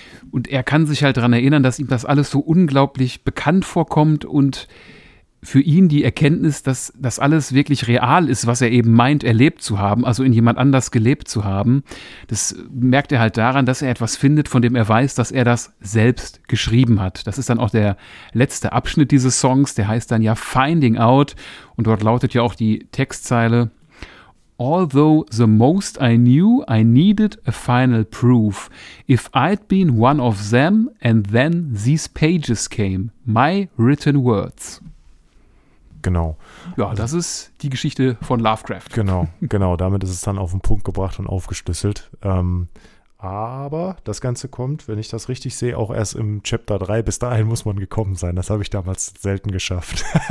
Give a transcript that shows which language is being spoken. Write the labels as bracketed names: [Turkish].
[German] Und er kann sich halt daran erinnern, dass ihm das alles so unglaublich bekannt vorkommt und für ihn die Erkenntnis, dass das alles wirklich real ist, was er eben meint, erlebt zu haben, also in jemand anders gelebt zu haben, das merkt er halt daran, dass er etwas findet, von dem er weiß, dass er das selbst geschrieben hat. Das ist dann auch der letzte Abschnitt dieses Songs, der heißt dann ja Finding Out und dort lautet ja auch die Textzeile: [English] Although the most I knew, I needed a final proof. If I'd been one of them and then these pages came, my written words. [German] Genau. Ja, das ist die Geschichte von Lovecraft. Genau, genau. Damit ist es dann auf den Punkt gebracht und aufgeschlüsselt. Aber das Ganze kommt, wenn ich das richtig sehe, auch erst im Chapter 3. Bis dahin muss man gekommen sein. Das habe ich damals selten geschafft.